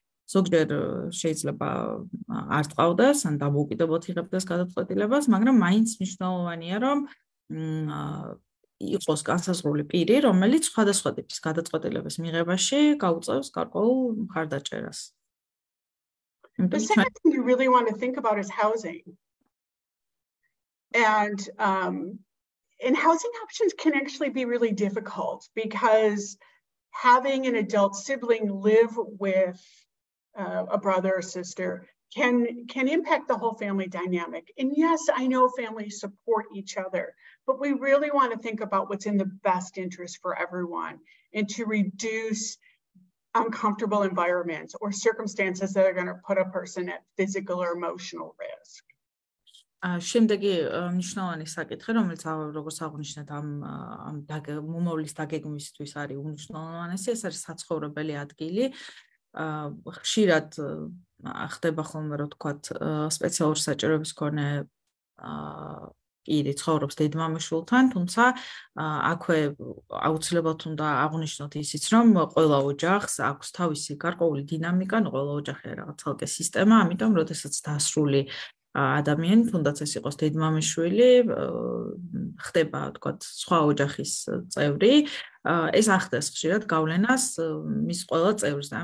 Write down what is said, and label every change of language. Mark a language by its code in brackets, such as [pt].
[ka] ზოგჯერ შეიძლება არ წავდეს ან დამოუკიდებლად იღებდეს გადაწყვეტილებას, მაგრამ მაინც მნიშვნელოვანია, რომ იყოს განსაზღვრული პირი, რომელიც სხვადასხვა ტიპის გადაწყვეტილების მიღებაში გაუწევს გარკვეულ მხარდაჭერას. [en] The second thing you really want to think about is housing. And housing options can actually be really difficult because having an adult sibling live with a brother or sister can impact the whole family dynamic. And yes, I know families support each other, but we really want to think about what's in the best interest for everyone and to reduce uncomfortable environments or circumstances that are going to put a person at physical or emotional risk. [ka] შემდეგი მნიშვნელოვანი საკითხი, რომელიც როგორც აღნიშნეთ ამ მომავლის დაგეგმვისთვის არის უმნიშვნელოვანესი, ეს არის საცხოვრებელი ადგილი. ხშირად ხდება ხოლმე, რომ თქვათ, სპეციალურ საჭიროების მქონე პირი ცხოვრობს დედმამიშვილთან, თუმცა აქვე აუცილებლად უნდა აღნიშნოთ ისიც, რომ ყველა ოჯახს აქვს თავისი გარკვეული დინამიკა, ანუ ყველა ოჯახი არ არის ცალკე სისტემა, ამიტომ როდესაც დასრული ადამიანი, თუნდაც ეს იყოს დედმამიშვილი, ხდება, თქვა, სხვა ოჯახის წევრი, ეს ახდენს ხშირად გავლენას მის ყველა წევრზე.